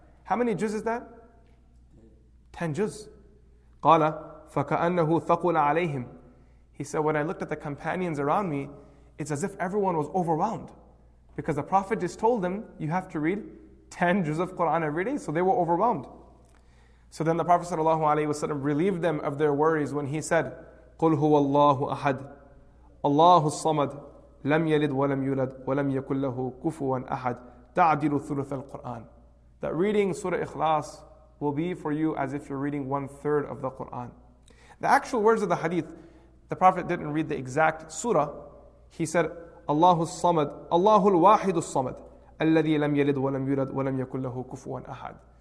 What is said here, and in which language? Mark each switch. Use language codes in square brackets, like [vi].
[en] How many juz is that? 10 juz. [ar] قَالَ فَكَأَنَّهُ ثَقُلَ عَلَيْهِمْ. [en] He said, when I looked at the companions around me, it's as if everyone was overwhelmed. Because the Prophet just told them, you have to read 10 juz of Qur'an every day. So they were overwhelmed. So then the Prophet sallallahu alaihi wasallam relieved them of their worries when he said, [ar] قُلْ هُوَ اللَّهُ أَحَدٌ اللَّهُ الصَّمَدُ لَمْ يَلِدْ وَلَمْ يُولَدْ وَلَمْ يَكُلْ لَهُ كُفُوًا أَحَدٌ تَعْدِلُ ثُلُثَ الْقُرْآنِ. [en] That reading Surah Ikhlas will be for you as if you're reading one third of the Qur'an. The actual words of the hadith, the Prophet didn't read the exact surah. He said, [ar] اللَّهُ الصَّمَدُ اللَّهُ الْوَاحِدُ الصَّمَدُ الَّذِي لَمْ يَلِدْ وَلَمْ يُولَدْ وَلَمْ يَكُلْ لَهُ كُفُوًا أَحَدٌ.